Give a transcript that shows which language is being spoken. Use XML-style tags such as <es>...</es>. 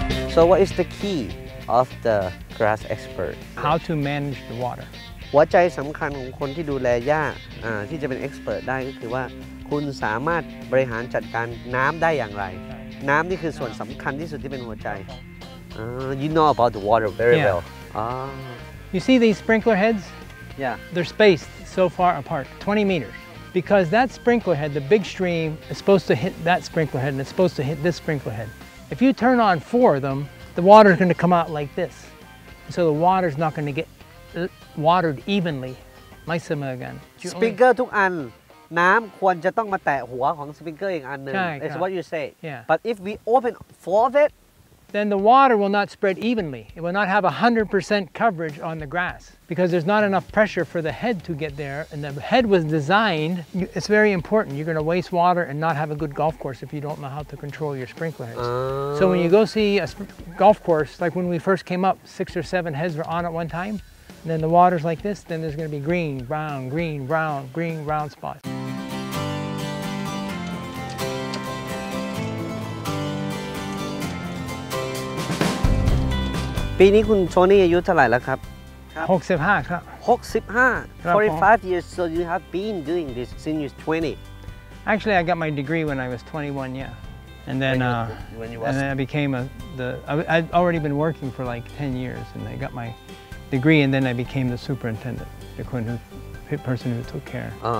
<en>So what is the key of the grass expert? How to manage the water.</en> <th>หัวใจสำคัญของคนที่ดูแลหญ้าที่จะเป็น expert ได้ก็คือว่าคุณสามารถบริหารจัดการน้ำได้อย่างไรน้ำนี่คือส่วนสำคัญที่สุดที่เป็นหัวใจ</th> <en>You know about the water very well. You see these sprinkler heads? Yeah. They're spaced so far apart, 20 meters. Because that sprinkler head, the big stream, is supposed to hit that sprinkler head and it's supposed to hit this sprinkler head. If you turn on four of them, the water is going to come out like this. So the water is not going to get watered evenly.</en> <th>ไม่เสมอกัน สปริงเกอร์ทุกอันน้ำควรจะต้องมาแตะหัวของสปริงเกอร์อีกอันนึง</th> <en>It's what you say. Yeah. But if we open four of it Then the water will not spread evenly. It will not have 100% coverage on the grass because there's not enough pressure for the head to get there. And the head was designed. It's very important. You're going to waste water and not have a good golf course if you don't know how to control your sprinkler heads. So when you go see a golf course, like when we first came up, six or seven heads were on at one time. And then the water's like this. Then there's going to be green, brown, green, brown, green, brown spots.</en> <th>ปีนี้คุณโทนี่อายุเท่าไหร่แล้วครับ 65ครับ</th> <en>65 45 years so you have been doing this since you're 20 Actually I got my degree when I was 21 yeah and then I became I'd already been working for like 10 years and I got my degree and then I became the superintendent the person who took care</en>